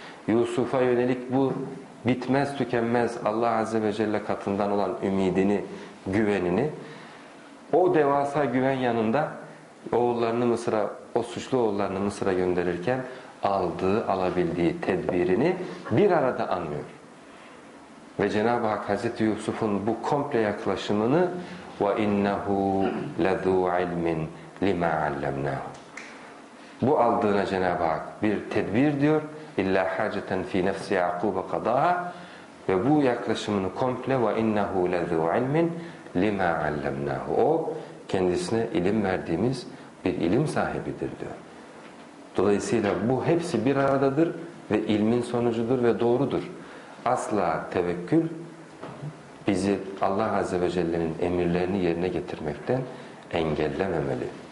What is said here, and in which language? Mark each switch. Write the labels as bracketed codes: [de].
[tr] Yusuf'a yönelik bu bitmez tükenmez Allah Azze ve Celle katından olan ümidini, güvenini, o devasa güven yanında oğullarını Mısır'a, o suçlu oğullarını Mısır'a gönderirken aldığı, alabildiği tedbirini bir arada anlıyor. Ve Cenab-ı Hak Hazreti Yusuf'un bu komple yaklaşımını [ar] وَاِنَّهُ لَذُوْ عِلْمٍ لِمَا عَلَّمْنَهُ. [tr] Bu aldığına Cenab-ı Hak bir tedbir diyor. [ar] اِلَّا حَاجَةً ف۪ي نَفْسِ يَعْقُوبَ قَدَاهَا. [tr] Ve bu yaklaşımını komple [ar] وَاِنَّهُ لَذُوْ عِلْمٍ لِمَا عَلَّمْنَهُ. [tr] O kendisine ilim verdiğimiz bir ilim sahibidir diyor. Dolayısıyla bu hepsi bir aradadır ve ilmin sonucudur ve doğrudur. Asla tevekkül bizi Allah Azze ve Celle'nin emirlerini yerine getirmekten engellememeli.